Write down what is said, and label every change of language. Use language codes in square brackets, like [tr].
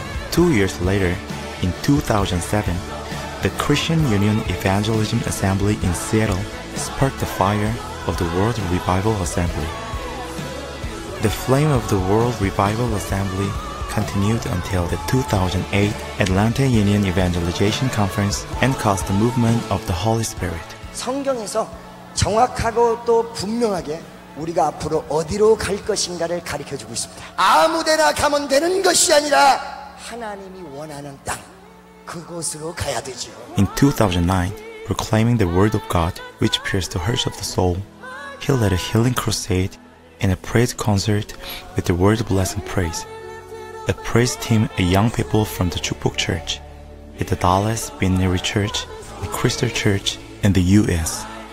[en] 2 years later, in 2007, the Christian Union Evangelism Assembly in Seattle sparked the fire of the World Revival Assembly. The flame of the World Revival Assembly continued until the 2008 Atlanta Union Evangelization Conference and caused the movement of the Holy Spirit. [ko] 성경에서 정확하고 또 분명하게 우리가 앞으로 어디로 갈 것인가를 가르쳐 주고 있습니다. 아무데나 가면 되는 것이 아니라 하나님이 원하는 땅 그곳으로 가야 되죠. [en] In 2009, proclaiming the word of God which pierced the hearts of the soul, he led a healing crusade and a praise concert with the word of blessing praise. A praise team of young people from the Chukbuk Church at the Dallas Binary Church, the Crystal Church, and the U.S.